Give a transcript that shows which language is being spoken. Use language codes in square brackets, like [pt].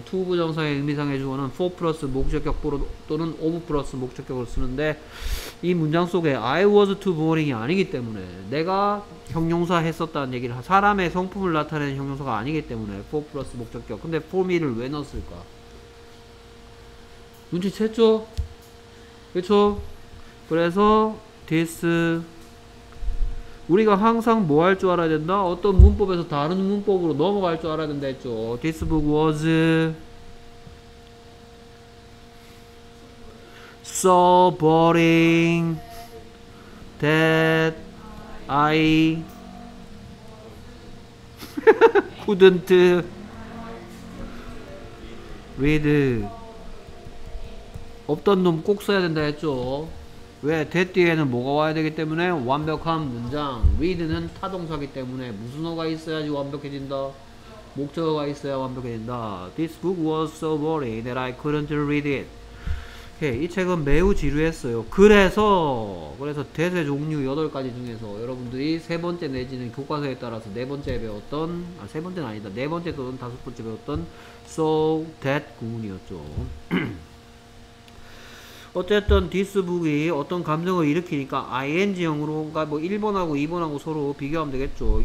[ko] 투 부정사의 의미상의 주어는 for 플러스 목적격 또는 of 플러스 목적격을 쓰는데 이 문장 속에 [en] I was too boring [ko] 이 아니기 때문에 내가 형용사 했었다는 얘기를 사람의 성품을 나타내는 형용사가 아니기 때문에 for 플러스 목적격 근데 for me를 왜 넣었을까? 눈치챘죠? 그렇죠? 그래서 this 우리가 항상 뭐 할 줄 알아야 된다? 어떤 문법에서 다른 문법으로 넘어갈 줄 알아야 된다 했죠. [en] This book was so boring that I couldn't read. [ko] 없던 놈 꼭 써야 된다 했죠. 왜? that 뒤에는 뭐가 와야 되기 때문에 완벽한 문장 read는 타동사기 때문에 무슨 어가 있어야지 완벽해진다? 목적어가 있어야 완벽해진다. [en] This book was so boring that I couldn't read it. [ko] Okay, 이 책은 매우 지루했어요. 그래서 that의 종류 8가지 중에서 여러분들이 세 번째 내지는 교과서에 따라서 네 번째 배웠던 네 번째 또는 다섯 번째 배웠던 so that 구문이었죠. 어쨌든 this book이 어떤 감정을 일으키니까 ing형으로 그러니까 뭐 1번하고 2번하고 서로 비교하면 되겠죠.